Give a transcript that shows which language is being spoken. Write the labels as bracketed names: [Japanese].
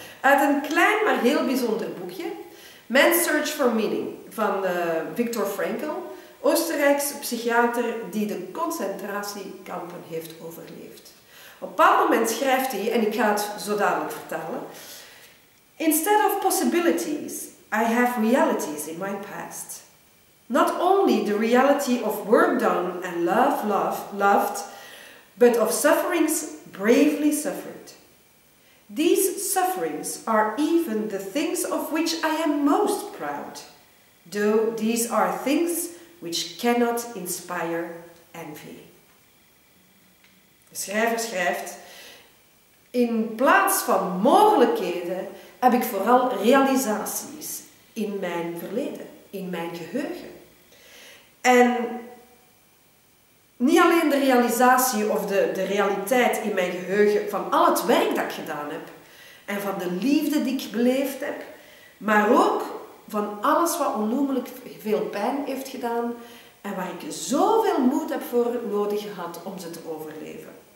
[Dutch] Uit een klein, maar heel bijzonder boekje. Man's Search for Meaning, van Viktor Frankl. Oostenrijkse psychiater die de concentratiekampen heeft overleefd. Op een bepaald moment schrijft hij, en ik ga het zo dadelijk vertalen. [English] Instead of possibilities, I have realities in my past. Not only the reality of work done and loved, but of sufferings bravely suffered. These sufferings are even the things of which I am most proud, though these are things which cannot inspire envy. [Dutch] De schrijver schrijft, in plaats van mogelijkheden heb ik vooral realisaties in mijn verleden, in mijn geheugen. En niet alleen de realisatie of de realiteit in mijn geheugen van al het werk dat ik gedaan heb en van de liefde die ik beleefd heb, maar ook van alles wat onnoemelijk veel pijn heeft gedaan en waar ik zoveel moed heb voor nodig gehad om ze te overleven.